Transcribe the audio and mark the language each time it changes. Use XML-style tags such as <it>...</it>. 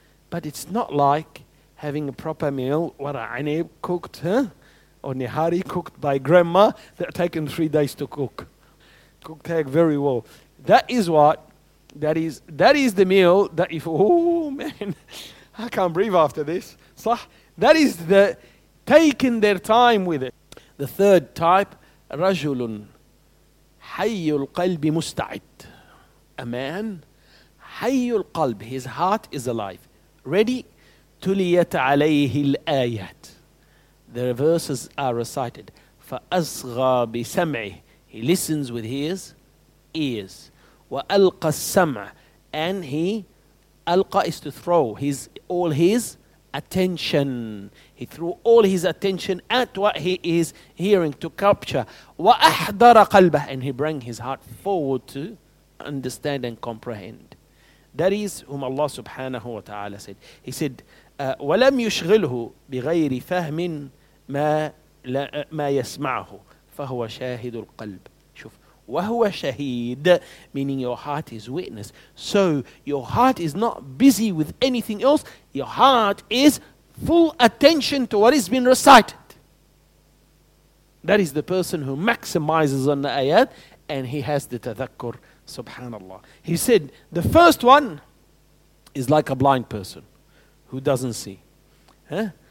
<en>But it's not like having a proper meal, what a anib cooked, or nihari cooked by grandma that taken 3 days to cook. Cooked egg very well. That is what, that is the meal that if, oh man, I can't breathe after this.</en> <ar>صح?</ar> <en>That is the taking their time with it. The third type,</en> <ar>رجل حي القلب مستعد.</ar> <en>A man,</en> <ar>حي القلب,</ar> <en>his heart is alive. Ready,</en> <ar>تليت عليه الآيات.</ar> <en>The verses are recited.</en> <ar>فأصغى بسمعه.</ar> <en>He listens with his ears.</en> <ar>وألقى السمع.</ar> <en>And he, ألقى is to throw his, all his attention. He threw all his attention at what he is hearing to capture.</en> <ar>وَأَحْضَرَ قَلْبَهُ</ar> <en>And he brings his heart forward to understand and comprehend. That is whom Allah subhanahu wa ta'ala said. He said,</en> <ar>وَلَمْ يُشْغِلْهُ بِغَيْرِ فَهْمٍ مَا يَسْمَعْهُ فَهُوَ شَاهِدُ الْقَلْبِ وَهُوَ شَهِيدٌ</ar> <en>Meaning your heart is witness. So your heart is not busy with anything else. Your heart is full attention to what has been recited. That is the person who maximizes on the ayat and he has the tadhakkur, subhanallah. He said, the first one is like a blind person who doesn't see. Huh?</en>